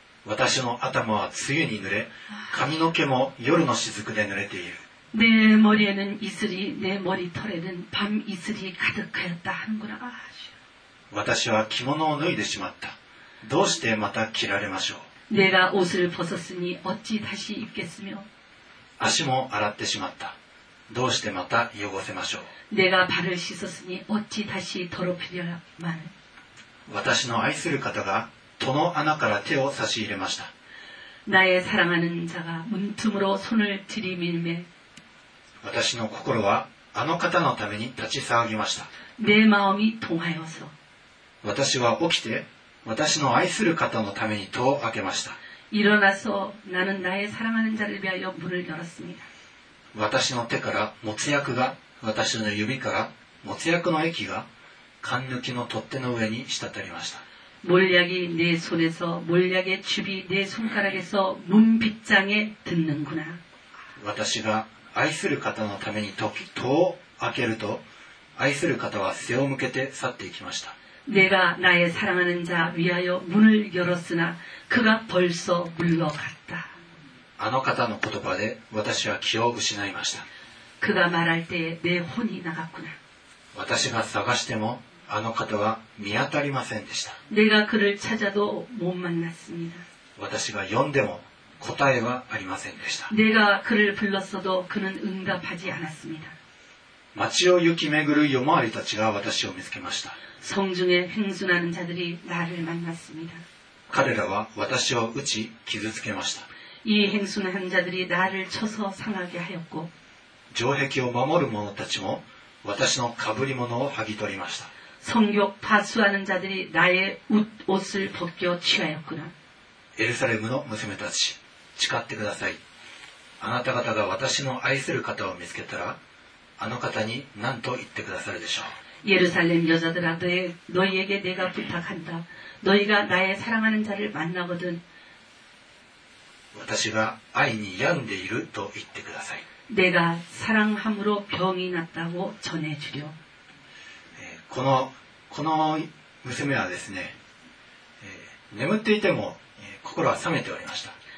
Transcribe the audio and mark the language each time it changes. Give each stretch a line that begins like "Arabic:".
Japanese: 私の頭は露に濡れ髪の毛も夜の雫で濡れている
Korean: 내머리에는이슬이내머리털에는밤이슬이가득하였다하는구나아쉬워
Japanese: 私は着物を脱いでしまったどうしてまた着られましょう
Korean: 내가옷을벗었으니어찌다시입겠으며
Japanese: 足も洗ってしまったどうしてまた汚せましょう
Korean: 내가발을씻었으니어찌다시더럽히려만
Japanese: 私の愛する方が戸の穴から手を差し入れました
Korean: 나의사랑하는자가문틈으로손을들이밀매
Japanese: 私の心はあの方のために立ち騒ぎました。
Korean: 내마음이동하여서
Japanese: 私は起きて私の愛する方のために戸を開けました。
Korean: 일어나서나는나의사랑하는자를위하여문을열었습니다。
Japanese: 私の手から持つ薬が私の指から持つ薬の液が缶抜きの取っ手の上に滴りました。
Korean: 몰약이내손에서몰약의줍이내손가락에서문빗장에듣는구나。
Japanese: 私が愛する方のために戸を開けると愛する方は背を向けて去っていきました
Korean: 내가나의사랑하는자위하여문을열었으나그가벌써물러갔다
Japanese: あの方の言葉で私は気を失いました
Korean: 그가말할때내혼이나갔구나
Japanese: 私が探してもあの方は見当たりませんでした
Korean: 내가그를찾아도못만났습니다
Japanese: 私が呼んでも答えはありませんでした
Korean: 내가그를불렀어도그는응답하지않았습니다
Japanese: 町を行き巡る夜回りたちが私を見つけました
Korean: 성중에행순하는자들이나를만났습니다
Japanese: 彼らは私を打ち傷つけました
Korean: 이행순한자들이나를쳐서상하게하였고
Japanese: 城壁を守る者たちも私のかぶり物を剥ぎ取りました
Korean: 성격파수하는자들이나의옷을벗겨취하였구나
Japanese: エルサレムの娘たち、誓ってください。あなた方が私の愛する方を見つけたら、あの方に何と言ってくださるでしょう。
Korean: 예루살렘 여자들아 너희에게 내가 부탁한다. 너희가 나의 사랑하는 자를 만나거든
Japanese: 私が愛に病んでいると言ってください。
Korean: 내가 사랑함으로 병이 났다고 전해주려.
Japanese: この娘はですね、眠っていても心は冷めておりました。